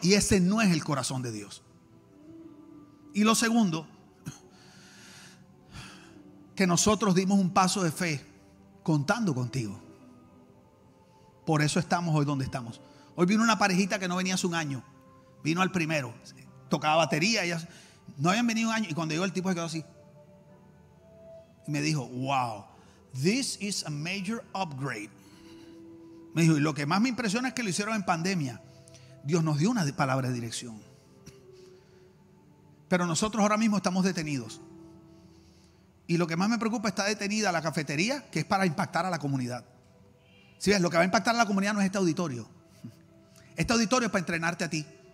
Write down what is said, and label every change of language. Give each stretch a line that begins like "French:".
Spanish: Y ese no es el corazón de Dios. Y lo segundo, que nosotros dimos un paso de fe contando contigo. Por eso estamos hoy donde estamos. Hoy vino una parejita que no venía hace un año. Vino al primero. Tocaba batería. Ellas no habían venido un año. Y cuando llegó, el tipo se quedó así. Y me dijo,
English: wow, this is a major upgrade.
Spanish: Me dijo, y lo que más me impresiona es que lo hicieron en pandemia. Dios nos dio una palabra de dirección. Pero nosotros ahora mismo estamos detenidos. Y lo que más me preocupa, está detenida la cafetería, que es para impactar a la comunidad. Si ves, lo que va a impactar a la comunidad no es este auditorio. Este auditorio es para entrenarte a ti.